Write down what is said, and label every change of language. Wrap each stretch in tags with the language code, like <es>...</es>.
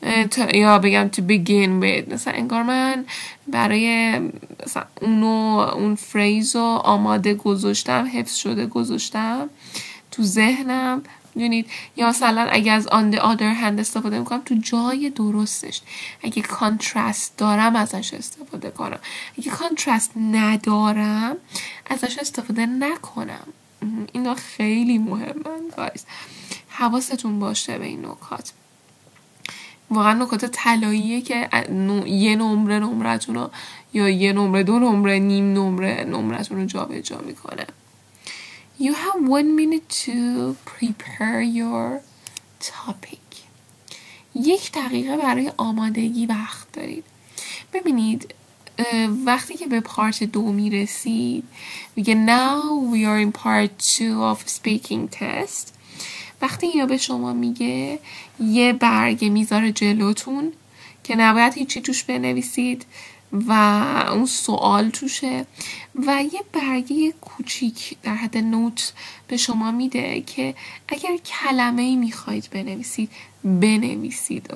<fa>تو یا بگم</fa> <en>to begin with،</en> <fa>مثلا انگار من برای مثلا اونو اون فریز رو آماده گذاشتم، حفظ شده گذاشتم تو ذهنم، میدونید؟ یا مثلا اگه از</fa> <en>on the other hand</en> <fa>استفاده میکنم تو جای درستش، اگه contrast دارم ازش استفاده کنم، اگه contrast ندارم ازش استفاده نکنم. اینا خیلی مهمن guys، حواستون باشه به این نکات، واقعا نکات طلاییه که یه نمره نمرتون رو یا یه نمره دو نمره نیم نمره نمرتون رو جا به جا میکنه.</fa> <en>You have one minute to prepare your topic.</en> <fa>یک دقیقه برای آمادگی وقت دارید. ببینید وقتی که به پارت دو میرسید، میگه</fa> <en>now we are in part two of speaking test،</en> <fa>وقتی اینا به شما میگه یه برگه میذاره جلوتون که نباید هیچی توش بنویسید و اون سوال توشه و یه برگه کوچیک در حد نوت به شما میده که اگر کلمه‌ای میخواید بنویسید بنویسید.</fa>